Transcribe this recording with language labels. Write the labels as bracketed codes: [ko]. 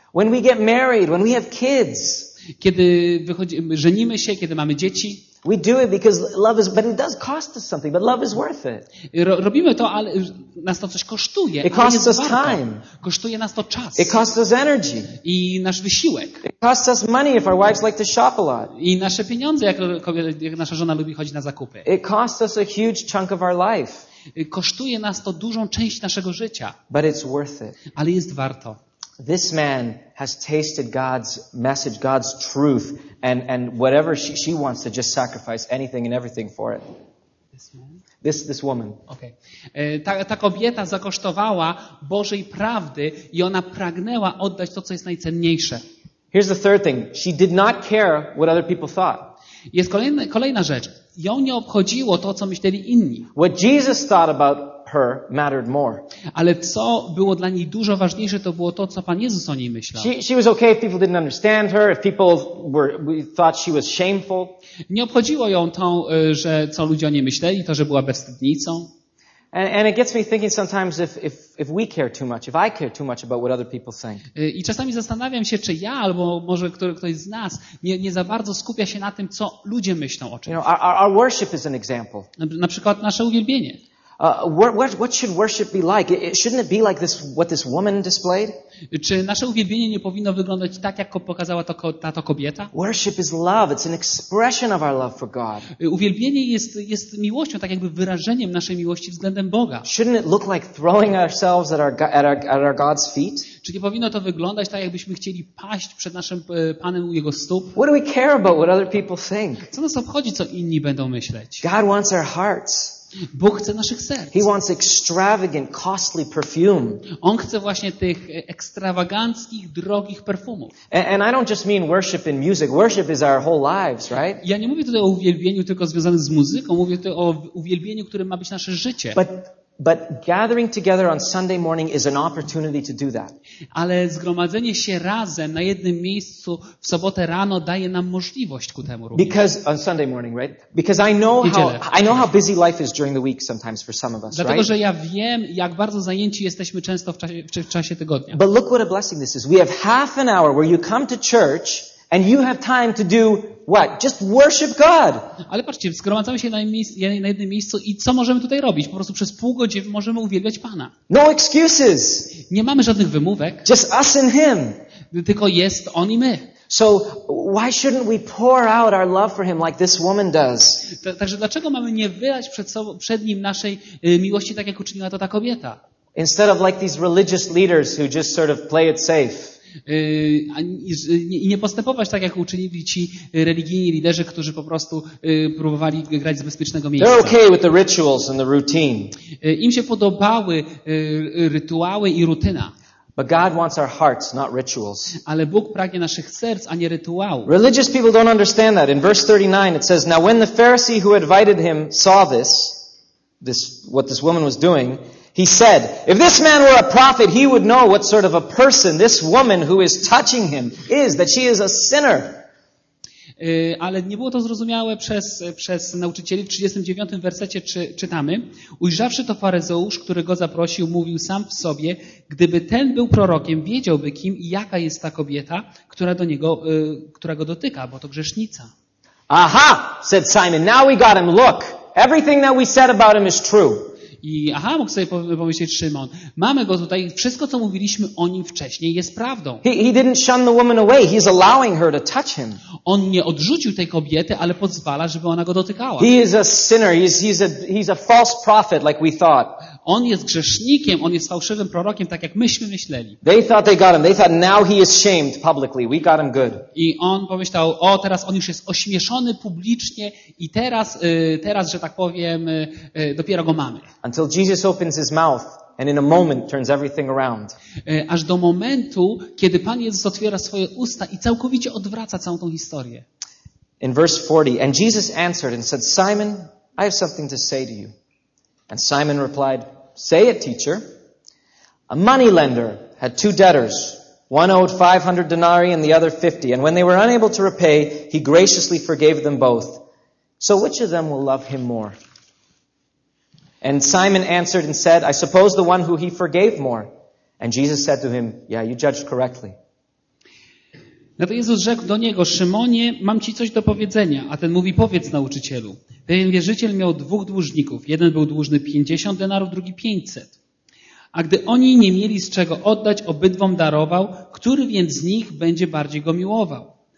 [en] When we get married, when we have kids. [pl] Kiedy żenimy się, kiedy mamy dzieci. [en] We do it because love is, but it does cost us something, but love is worth it. [pl] Robimy to, ale nas to coś kosztuje. [en] It costs us time. [pl] Kosztuje nas to czas. [en] It costs us energy. [pl] I nasz wysiłek. [en] It costs us money if our wives like to shop a lot. [pl] I nasze pieniądze, jak nasza żona lubi chodzić na zakupy. [en] It costs us a huge chunk of our life. [pl] Kosztuje nas to dużą część naszego życia. [en] But it's worth it. [pl] Ale jest warto. [en] This man has tasted God's message, God's truth, and whatever she wants to just sacrifice anything and everything for it. This woman. Okay. [pl] Ta kobieta zakosztowała Bożej prawdy i ona pragnęła oddać to, co jest najcenniejsze. [en] Here's the third thing. She did not care what other people thought. [pl] Jest kolejna rzecz. Ją nie obchodziło to, co myśleli inni. [en] What Jesus thought about her mattered more. [pl] Ale co było dla niej dużo ważniejsze, to było to, co Pan Jezus o niej myślał. [en] She was okay if people didn't understand her, if people thought she was shameful. [pl] Nie obchodziło ją to, że co ludzie o niej myśleli, to, że była bezwstydnicą. [en] And it gets me thinking sometimes if we care too much, if I care too much about what other people think. [pl] I czasami zastanawiam się, czy ja albo może ktoś z nas nie za bardzo skupia się na tym, co ludzie myślą o czymś. [en] You know, our worship is an example. [pl] Na przykład nasze uwielbienie. [en] What should worship be like? Shouldn't it be like this, what this woman displayed? [pl] Czy nasze uwielbienie nie powinno wyglądać tak, jak pokazała ta kobieta? [en] Worship is love. It's an expression of our love for God. [pl] Uwielbienie jest miłością, tak jakby wyrażeniem naszej miłości względem Boga. [en] Shouldn't it look like throwing ourselves at our God's feet? [pl] Czy nie powinno to wyglądać tak, jakbyśmy chcieli paść przed naszym Panem u Jego stóp? [en] What do we care about what other people think? [pl] Co nas obchodzi, co inni będą myśleć? [en] God wants our hearts. [pl] Bóg chce naszych serc. [en] He wants extravagant, costly perfume. [pl] On chce właśnie tych ekstrawaganckich, drogich perfumów. [en] And I don't just mean worship in music. Worship is our whole lives, right? [pl] Ja nie mówię tutaj o uwielbieniu tylko związanym z muzyką. Mówię tutaj o uwielbieniu, które ma być nasze życie. [en] But gathering together on Sunday morning is an opportunity to do that. [pl] Ale zgromadzenie się razem na jednym miejscu w sobotę rano daje nam możliwość ku temu również. [en] Because on Sunday morning, right? Because I know how busy life is during the week sometimes for some of us, right? [pl] Dlatego, że ja wiem, jak bardzo zajęci jesteśmy często w czasie tygodnia. [en] But look what a blessing this is. We have half an hour where you come to church and you have time to do what? Just worship God. [pl] Ale patrzcie, zgromadzamy się na jednym miejscu i co możemy tutaj robić? Po prostu przez pół godziny możemy uwielbiać Pana. [en] No excuses. [pl] Nie mamy żadnych wymówek. [en] Just us and Him. [pl] Tylko jest On i my. [en] So why shouldn't we pour out our love for Him like this woman does? [pl] Także dlaczego mamy nie wylać przed Nim naszej miłości, tak jak uczyniła to ta kobieta? [en] Instead of like these religious leaders who just sort of play it safe. [pl] I nie postępować tak, jak uczynili ci religijni liderzy, którzy po prostu próbowali grać z bezpiecznego miejsca. [en] They're okay with the rituals and the routine. [pl] Im się podobały rytuały i rutyna. [en] But God wants our hearts, not rituals. [pl] Ale Bóg pragnie naszych serc, a nie rytuałów. [en] Religious people don't understand that. In verse 39 it says, now when the Pharisee who invited him saw this what this woman was doing, he said, if this man were a prophet, he would know what sort of a person this woman who is touching him is, that she is a sinner. [pl] Ale nie było to zrozumiałe przez nauczycieli. W 39 wersecie czytamy, ujrzawszy to faryzeusz, który go zaprosił, mówił sam w sobie, gdyby ten był prorokiem, wiedziałby kim i jaka jest ta kobieta, która do niego, która go dotyka, bo to grzesznica. [en] Aha, said Simon, now we got him, look, everything that we said about him is true. [pl] I aha, mógł sobie pomyśleć Szymon. Mamy go tutaj. Wszystko, co mówiliśmy o nim wcześniej, jest prawdą. [en] He didn't shun the woman away. He's allowing her to touch him. [pl] On nie odrzucił tej kobiety, ale pozwala, żeby ona go dotykała. [en] He is a sinner. He's a false prophet, like we thought. [pl] On jest grzesznikiem, on jest fałszywym prorokiem, tak jak myśmy myśleli. [en] They thought they got him. They thought now he is shamed publicly. We got him good. [pl] I on pomyślał, o, teraz on już jest ośmieszony publicznie i teraz, teraz, że tak powiem, dopiero go mamy. [en] Until Jesus opens his mouth and in a moment turns everything around. [pl] Aż do momentu, kiedy Pan Jezus otwiera swoje usta i całkowicie odwraca całą tą historię. [en] In verse 40, and Jesus answered and said, Simon, I have something to say to you. And Simon replied, say it, teacher. A money lender had two debtors. One owed 500 denarii and the other 50. And when they were unable to repay, he graciously forgave them both. So which of them will love him more? And Simon answered and said, I suppose the one who he forgave more. And Jesus said to him, yeah, you judged correctly. [pl] No to Jezus rzekł do niego, Szymonie, mam ci coś do powiedzenia. A ten mówi, powiedz nauczycielu. Pewien wierzyciel miał dwóch dłużników. Jeden był dłużny 50 denarów, drugi 500. A gdy oni nie mieli z czego oddać, obydwom darował, który więc z nich będzie bardziej go miłował?